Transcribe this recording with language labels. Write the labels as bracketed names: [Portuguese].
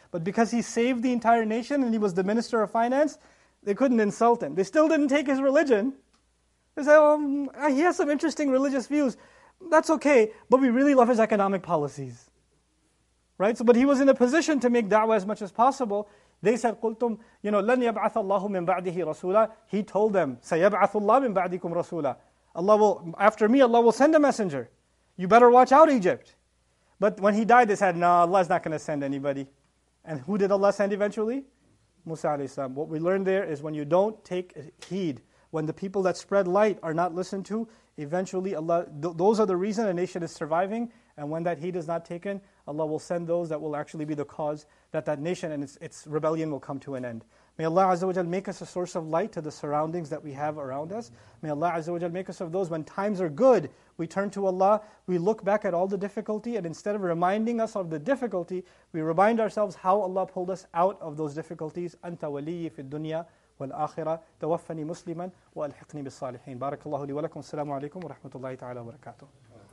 [English] But because he saved the entire nation and he was the minister of finance, they couldn't insult him. They still didn't take his religion. They said, well, he has some interesting religious views. That's okay, but we really love his economic policies. Right? So, but he was in a position to make da'wah as much as possible. They said, [Arabic] قُلْتُمْ, [English] you know, [Arabic] لَنْ يَبْعَثَ اللَّهُ مِنْ بَعْدِهِ رَسُولًا. [English] He told them, [Arabic] سَيَبْعَثُ اللَّهُ مِنْ بَعْدِكُمْ رَسُولًا. [English] Allah will, after me, Allah will send a messenger. You better watch out, Egypt. But when he died, they said, no, Allah is not going to send anybody. And who did Allah send eventually? Musa alayhi salam. What we learned there is when you don't take heed, when the people that spread light are not listened to, eventually Allah, those are the reason a nation is surviving. And when that heed is not taken, Allah will send those that will actually be the cause that that nation and its rebellion will come to an end. May Allah Azza wa Jal make us a source of light to the surroundings that we have around us. May Allah Azza wa Jal make us of those when times are good, we turn to Allah, we look back at all the difficulty, and instead of reminding us of the difficulty, we remind ourselves how Allah pulled us out of those difficulties. [Arabic] أنت وليي في الدنيا والآخرة توفني مسلما وألحقني بالصالحين. بارك الله لي ولكم. السلام عليكم ورحمة الله تعالى وبركاته.